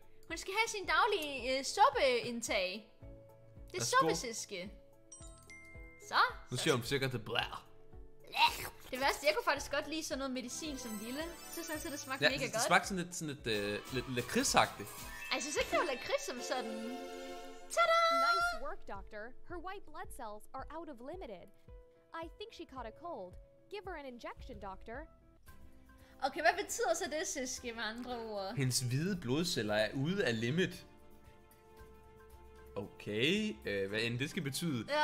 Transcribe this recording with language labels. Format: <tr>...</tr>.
<da>Hun skal have sin daglige suppeindtag. Det er suppesiske. Så. Nu siger hun sikkert det blær. Det værste, jeg kunne faktisk godt lide sådan noget medicin som lille. Så synes jeg, det smagte mega godt. Ja, det smagte sådan lidt lakridsagtigt. Jeg synes ikke, det var lakrids som sådan.</da> <en>Tada! Nice work, doctor. Her white blood cells are out of limited. I think she caught a cold. Give her an injection, doctor.</en> <da>Okay, hvad betyder så det, Siske, med andre ord? Hendes hvide blodceller er ude af limit. Okay, hvad end det skal betyde?</da>